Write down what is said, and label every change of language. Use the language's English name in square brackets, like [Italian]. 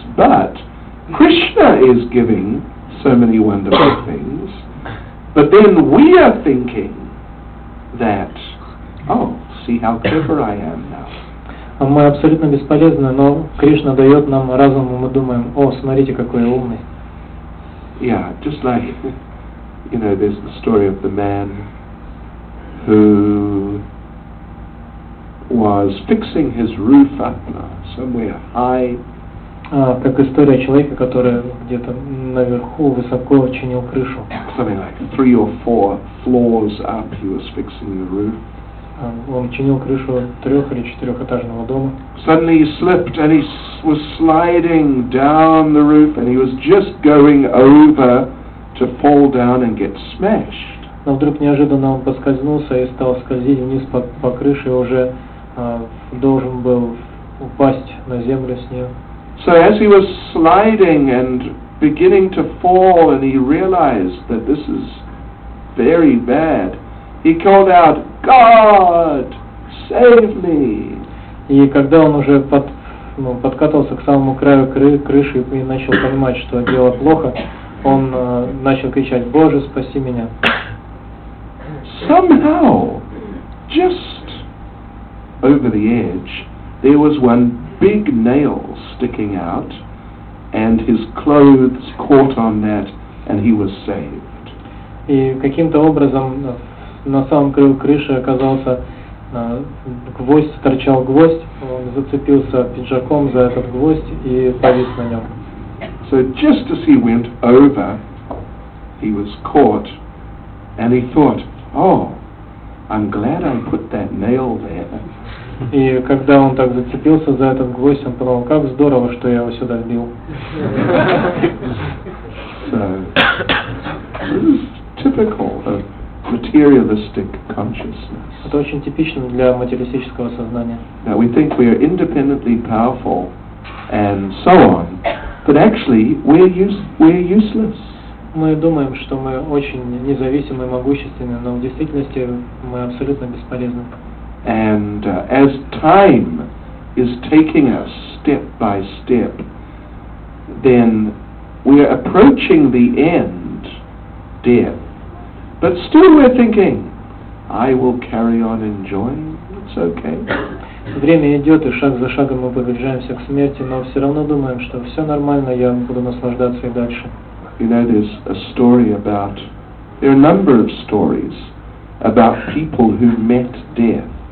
[English] But Krishna is giving so many wonderful things. But then we are thinking that, oh, see how clever I am now. [Russian] Мы абсолютно бесполезны, но Кришна дает нам разум, и мы думаем, о, смотрите, какой умный. [English] Yeah, just like, you know, there's the story of the man who was fixing his roof up somewhere high. [Russian] Как история человека, который где-то наверху высоко чинил крышу. [English] Something like three or four floors up he was fixing the roof. [Russian] Он чинил крышу трех- или четырехэтажного дома. [English] Suddenly he slipped and he was sliding down the roof and he was just going over to fall down and get smashed. [Russian] Но вдруг неожиданно он поскользнулся и стал скользить вниз по крыше и уже должен был упасть на землю с нее. [English] So as he was sliding and beginning to fall and he realized that this is very bad, he called out, God, save me. [Russian] И когда он уже подкатывался к самому краю крыши и начал понимать, что дело плохо, он начал кричать, Боже, спаси меня. [English] Somehow, just over the edge, there was one big nail sticking out, and his clothes caught on that, and he was saved. [Russian] И каким-то образом на самом краю крыши оказался гвоздь, торчал гвоздь, он зацепился пиджаком за этот гвоздь и повис на нем. [English] So just as he went over, he was caught, and he thought, oh, I'm glad I put that nail there. [Russian] И когда он так зацепился за этот гвоздь, он подумал, как здорово, что я его сюда вбил. [English] So, this is typical of materialistic consciousness. [Russian] Это очень типично для материалистического сознания. [English] Now we think we are independently powerful and so on, but actually we're useless. [Russian] Мы думаем, что мы очень независимы и могущественны, но в действительности мы абсолютно бесполезны. [English] And as time is taking us step by step, then we are approaching the end, death. But still we're thinking, I will carry on enjoying, it's okay. [Russian] Время идет, и шаг за шагом мы приближаемся к смерти, но все равно думаем, что все нормально, я буду наслаждаться и дальше. [English] You know, there's a story about, there are a number of stories about people who met death.